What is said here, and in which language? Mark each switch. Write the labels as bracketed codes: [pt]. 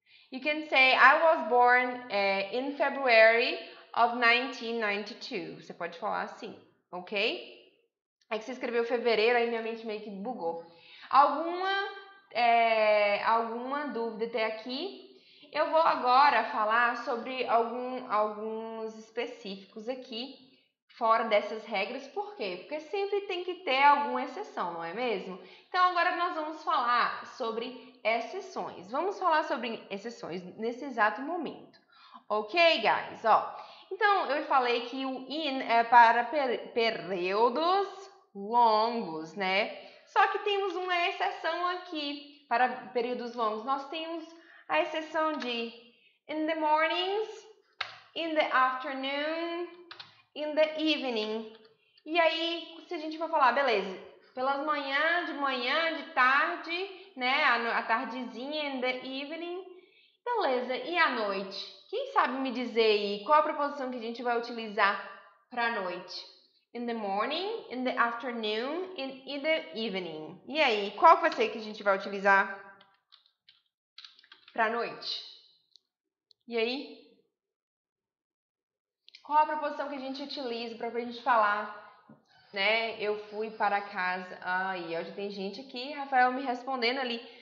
[en] You can say, I was born in February of 1992. [pt] Você pode falar assim, ok? É que você escreveu fevereiro, aí minha mente meio que bugou. Alguma dúvida até aqui? Eu vou agora falar sobre alguns específicos aqui, fora dessas regras. Por quê? Porque sempre tem que ter alguma exceção, não é mesmo? Então, agora nós vamos falar sobre exceções. Vamos falar sobre exceções nesse exato momento. [en] Ok, guys? [pt] Ó, então, eu falei que o in é para períodos longos, né? Só que temos uma exceção aqui para períodos longos. Nós temos a exceção de [en] in the mornings, in the afternoon, in the evening. [pt] E aí, se a gente for falar, beleza, pelas manhã, de tarde, né, a tardezinha, [en] in the evening, [pt] beleza, e à noite? Quem sabe me dizer aí qual a preposição que a gente vai utilizar para a noite? [en] In the morning, in the afternoon, in the evening. [pt] E aí, qual vai ser que a gente vai utilizar para a noite? E aí? Qual a proposição que a gente utiliza para a gente falar, né? Eu fui para casa. Aí, ah, tem gente aqui, Rafael me respondendo ali.